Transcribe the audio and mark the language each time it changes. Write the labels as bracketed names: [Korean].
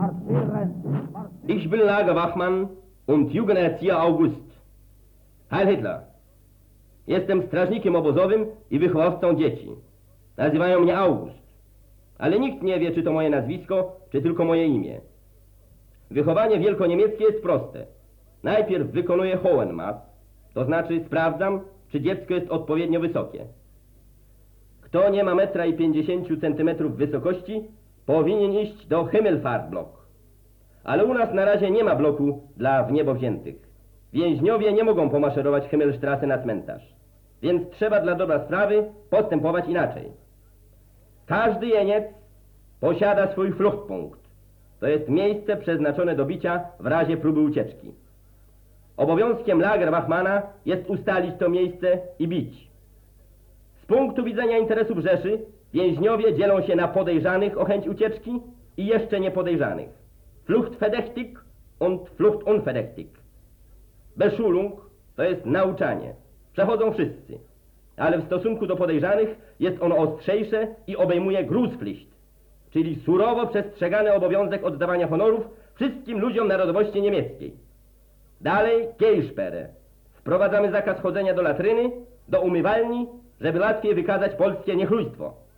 [German] Ich bin Lagerwachmann und Jugenderzieher August. Heil Hitler. [Polish] Jestem strażnikiem obozowym i wychowawcą dzieci. Nazywają mnie August. Ale nikt nie wie, czy to moje nazwisko, czy tylko moje imię. Wychowanie wielkoniemieckie jest proste. Najpierw wykonuję Hohenmaß, to znaczy sprawdzam, czy dziecko jest odpowiednio wysokie. Kto nie ma 1,50 m wysokości, powinien iść do Himmelfahrtblock. Ale u nas na razie nie ma bloku dla wniebowziętych. Więźniowie nie mogą pomaszerować Himmelstrasse na cmentarz. Więc trzeba dla dobra sprawy postępować inaczej. Każdy jeniec posiada swój Fluchtpunkt. To jest miejsce przeznaczone do bicia w razie próby ucieczki. Obowiązkiem Lagerwachmana jest ustalić to miejsce i bić. Z punktu widzenia interesów Rzeszy więźniowie dzielą się na podejrzanych o chęć ucieczki i jeszcze niepodejrzanych. [German] Fluchtverdächtig und Fluchtunverdächtig. [Polish] Beschulung to jest nauczanie. Przechodzą wszyscy. Ale w stosunku do podejrzanych jest ono ostrzejsze i obejmuje Grußpflicht, czyli surowo przestrzegany obowiązek oddawania honorów wszystkim ludziom narodowości niemieckiej. Dalej Gehsperre. Wprowadzamy zakaz chodzenia do latryny, do umywalni, żeby łatwiej wykazać polskie niechlujstwo.